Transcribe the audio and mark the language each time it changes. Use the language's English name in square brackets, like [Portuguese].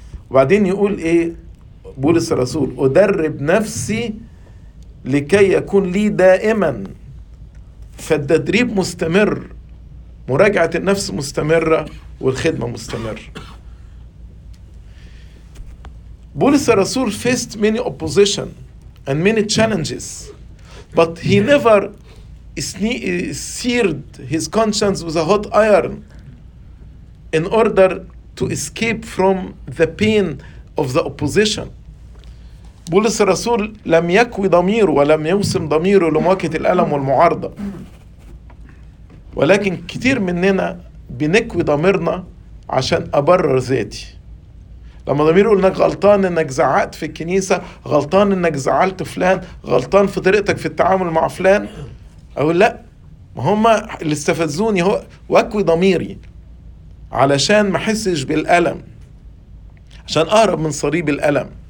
[Arabic] وبعدين يقول ايه بولس الرسول، ادرب نفسي لكي يكون لي دائما. فالتدريب مستمر، مراجعة النفس مستمرة والخدمة مستمرة. [English] بولس الرسول faced many opposition and many challenges but he never seared his conscience with a hot iron in order to escape from the pain of the opposition. [Arabic] بولس الرسول لم يكوي ضميره ولم يوسم ضميره لمواجهة الألم والمعارضة. ولكن كتير مننا بنكوي ضميرنا عشان أبرر ذاتي. لما ضمير يقول انك غلطان انك زعقت في الكنيسة، غلطان انك زعلت فلان، غلطان في طريقتك في التعامل مع فلان، اقول لا، ما هما اللي استفزوني هو، واكوي ضميري علشان ما احسش بالالم عشان اهرب من صليب الالم.